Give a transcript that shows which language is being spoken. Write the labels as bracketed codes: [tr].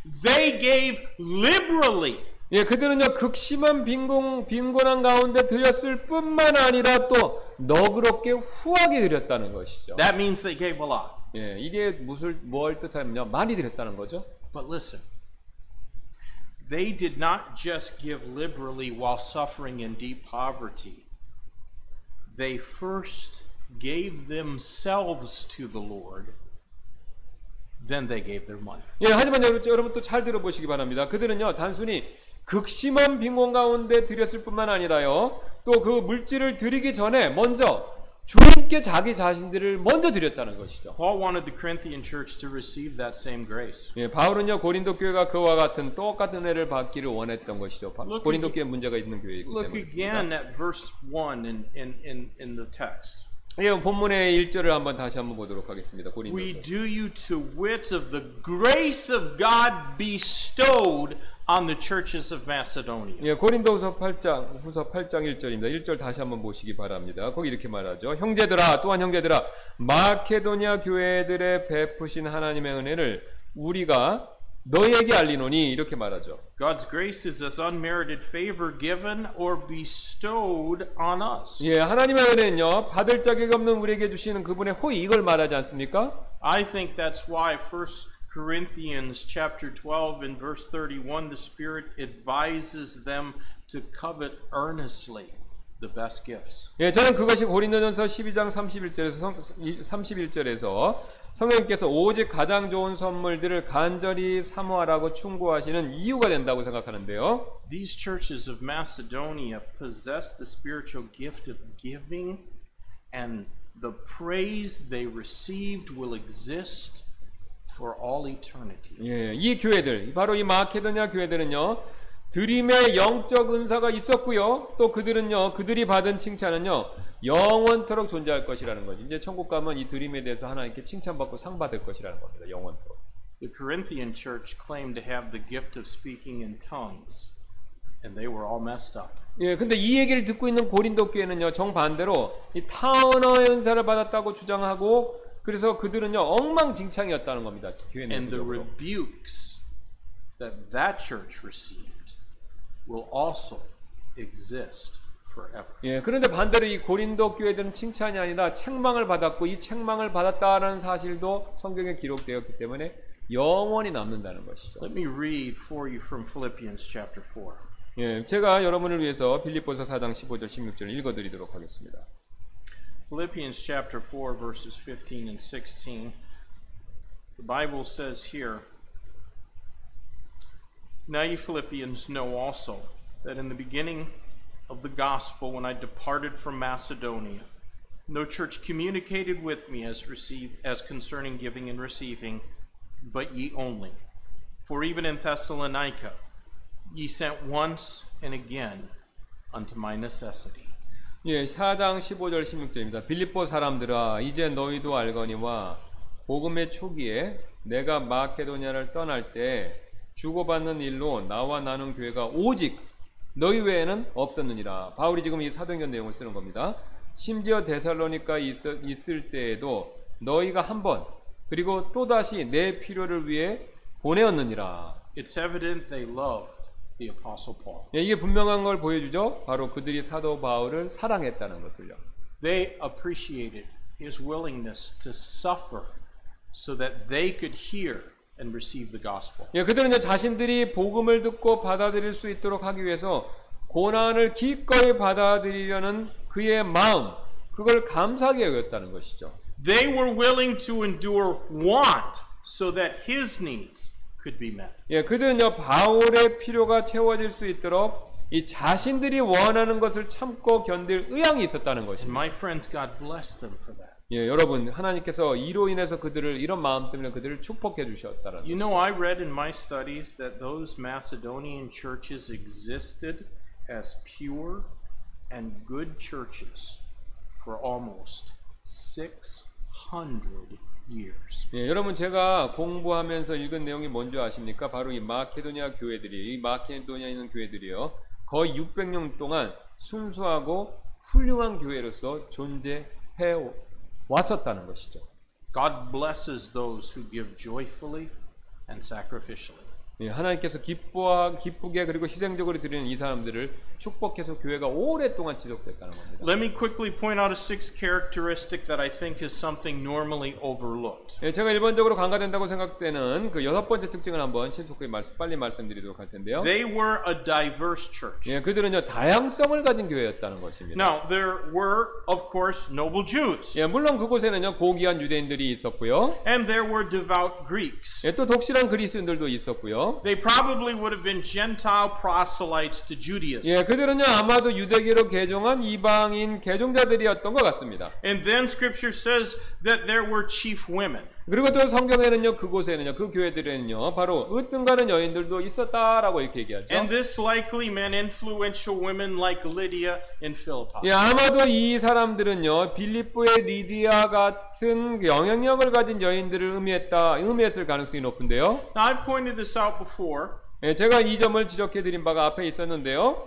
[en] They gave liberally. [ko] 예, 그들은요 극심한 빈곤한 가운데 드렸을 뿐만 아니라 또 너그럽게 후하게 드렸다는 것이죠. [en] That means they gave a lot. [ko] 예, 이게 무슨 뭘 뜻하냐면요 많이 드렸다는 거죠. [en] But listen. They did not just give liberally while suffering in deep poverty. They first gave themselves to the Lord. Then they gave their money. [ko] 예, 하지만 여러분 또 잘 들어보시기 바랍니다. 그들은요 단순히 극심한 빈곤 가운데 드렸을 뿐만 아니라요 또 그 물질을 드리기 전에 먼저 주님께 자기 자신들을 먼저 드렸다는 것이죠. [en] Paul wanted the Corinthian church to receive that same grace. [ko] 예, 바울은요 고린도 교회가 그와 같은 똑같은 은혜를 받기를 원했던 것이죠. 고린도 교회 문제가 있는 교회이기 때문에. [en] Look again at verse 1 in the text. [ko] 예, 본문의 1절을 한번 다시 한번 보도록 하겠습니다. 고린도서. [en] We do you to wit of the grace of God bestowed on the churches of Macedonia. [ko] 예, 고린도서 8장 후서 8장 1절입니다. 1절 다시 한번 보시기 바랍니다. 거기 이렇게 말하죠. 형제들아 또한 형제들아 마케도니아 교회들의 베푸신 하나님의 은혜를 우리가 너희에게 알리노니 이렇게 말하죠. [en] God's grace is as unmerited favor given or bestowed on us. [ko] 예, 하나님의 은혜는요. 받을 자격 없는 우리에게 주시는 그분의 호의 이걸 말하지 않습니까? [en] I think that's why first Corinthians chapter 12 in verse 31 the spirit advises them to covet earnestly the best gifts. [ko] 예, 저는 그것이 고린도전서 12장 31절에서 성령께서 오직 가장 좋은 선물들을 간절히 사모하라고 충고하시는 이유가 된다고 생각하는데요. [en] These churches of Macedonia possess the spiritual gift of giving and the praise they received will exist for all eternity. [ko] 예, 이 교회들, 바로 이 마케도니아 교회들은요. 드림의 영적 은사가 있었고요. 또 그들은요. 그들이 받은 칭찬은요. 영원토록 존재할 것이라는 거죠. 이제 천국 가면 이 드림에 대해서 하나님께 칭찬받고 상 받을 것이라는 겁니다. 영원토록. [en] The Corinthian church claimed to have the gift of speaking in tongues and they were all messed up. [ko] 예, 근데 이 얘기를 듣고 있는 고린도 교회는요, 정반대로 이 타언어의 은사를 받았다고 주장하고 그래서 그들은요, 엉망진창이었다는 겁니다. 교회는. [en] And the rebukes that that church received will also exist forever. [ko] 예, 그런데 반대로 이 고린도 교회들은 칭찬이 아니라 책망을 받았고 이 책망을 받았다는 사실도 성경에 기록되었기 때문에 영원히 남는다는 것이죠. [en] Let me read for you from Philippians chapter 4. [ko] 예, 제가 여러분을 위해서 빌립보서 4장 15절 16절을 읽어 드리도록 하겠습니다. [en] Philippians chapter 4 verses 15 and 16. The Bible says here, Now you Philippians know also that in the beginning of the gospel when I departed from Macedonia, no church communicated with me as concerning giving and receiving, but ye only. For even in Thessalonica ye sent once and again unto my necessity. [ko] 예, 4장 15절 16절입니다. 빌립보 사람들아 이제 너희도 알거니와 복음의 초기에 내가 마케도니아를 떠날 때 주고받는 일로 나와 나눈 교회가 오직 너희 외에는 없었느니라. 바울이 지금 이 사도행전 내용을 쓰는 겁니다. 심지어 데살로니카 있을 때에도 너희가 한번 그리고 또다시 내 필요를 위해 보내었느니라. [en] It's evident they love the apostle Paul. [ko] 예, 이게 분명한 걸 보여주죠. 바로 그들이 사도 바울을 사랑했다는 것을요. [en] They appreciated his willingness to suffer so that they could hear and receive the gospel. [ko] 예, 그들은 이제 자신들이 복음을 듣고 받아들일 수 있도록 하기 위해서 고난을 기꺼이 받아들이려는 그의 마음, 그걸 감사하게 여겼다는 것이죠. [en] They were willing to endure want so that his needs could be met. [ko] 예, 그들은요 바울의 필요가 채워질 수 있도록 이 자신들이 원하는 것을 참고 견딜 의향이 있었다는 것입니다. [en] And my friends, God bless them for that. [ko] 예, 여러분 하나님께서 이로 인해서 그들을 이런 마음 때문에 그들을 축복해 주셨다는 것. [en] You know, I read in my studies that those Macedonian churches existed as pure and good churches for almost 600 years. [ko] 예, 여러분 제가 공부하면서 읽은 내용이 뭔지 아십니까? 바로 이 마케도니아 교회들이 이 마케도니아에 있는 교회들이요. 거의 600년 동안 순수하고 훌륭한 교회로서 존재해 왔었다는 것이죠. [en] God blesses those who give joyfully and sacrificially. [ko] 예, 하나님께서 기쁘게 그리고 희생적으로 드리는 이 사람들을 축복해서 교회가 오랫동안 지속됐다는 겁니다. [en] Let me quickly point out a sixth characteristic that I think is something normally overlooked. [ko] 예, 제가 일반적으로 간과된다고 생각되는 그 여섯 번째 특징을 한번 신속하게 빨리 말씀드리도록 할 텐데요. [en] They were a diverse church. [ko] 예, 그들은요 다양성을 가진 교회였다는 것입니다. [en] Now there were, of course, noble Jews. [ko] 예, 물론 그곳에는요 고귀한 유대인들이 있었고요. [en] And there were devout Greeks. [ko] 예, 또 독실한 그리스인들도 있었고. [en] They probably would have been Gentile proselytes to Judaism. [ko] 예, 그들은요 아마도 유대교로 개종한 이방인 개종자들이었던 것 같습니다. [en] And then Scripture says that there were chief women. [ko] 그리고 또 성경에는요 그곳에는요 그 교회들에는요 바로 으뜸가는 여인들도 있었다라고 이렇게 얘기하죠. [en] And this likely meant influential women like Lydia in Philippi. [ko] 예, 아마도 이 사람들은요 빌립보의 리디아 같은 영향력을 가진 여인들을 의미했을 가능성이 높은데요. [en] Now I've pointed this out before. [ko] 예, 제가 이 점을 지적해 드린 바가 앞에 있었는데요.